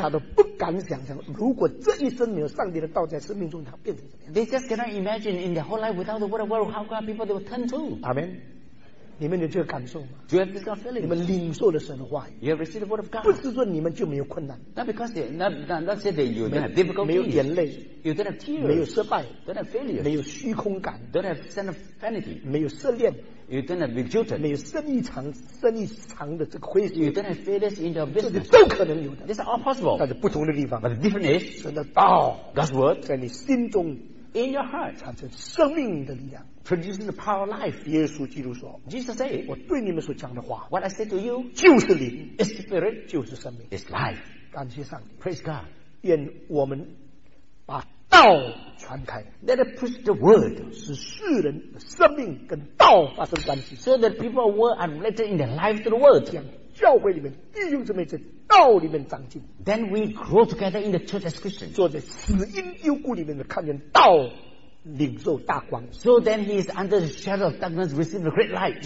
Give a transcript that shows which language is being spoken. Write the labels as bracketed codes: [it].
[zh] 他都不敢想象, 如果这一生没有上帝的道在生命中, 他变成什么样? [en] They just cannot imagine in their whole life without the word of God, how God people they will turn to. [zh] Amen. 你们有这个感受吗? [en] Do you have this kind of feeling? [zh] 你们领受了神的话语, [en] you have received the word of God. [zh] 不是说你们就没有困难, [en] not because they, not say that you don't have difficulty, [zh] 没有眼泪, [en] you don't have tears, [zh] 没有失败, [en] don't have failure, [zh] 没有虚空感, [en] don't have sense of vanity, [zh] 没有失恋, [en] you don't have rejected, [zh] 没有生意场, 生意场的这个亏损, [en] you don't have failures in your business. [zh] 这都可能有的, [en] these are all possible. [zh] 但是不同的地方, [en] but the difference is, [zh] 神的道, [en] God's word, [zh] 在你心中, [en] in your heart, [zh] 产生生命的力量, [en] producing the power of life. [zh] 耶稣基督说, [en] Jesus said, [zh] 我对你们所讲的话, [en] what I say to you, [zh] 就是灵, [en] is spirit, [zh] 就是生命, [en] is life. [zh] 感谢上帝, [en] praise God. [zh] 愿我们把道传开, [en] let us preach the word, [zh] 使世人的生命跟道发生关系, [en] so that people were unrelated in their life to the word. [zh] 教会里面弟兄姊妹在道里面长进, [en] then we grow together in the church as Christians. [zh] 坐在死荫幽谷里面的看见道, 领受大光, [en] so then he is under the shadow of darkness, receiving the great light.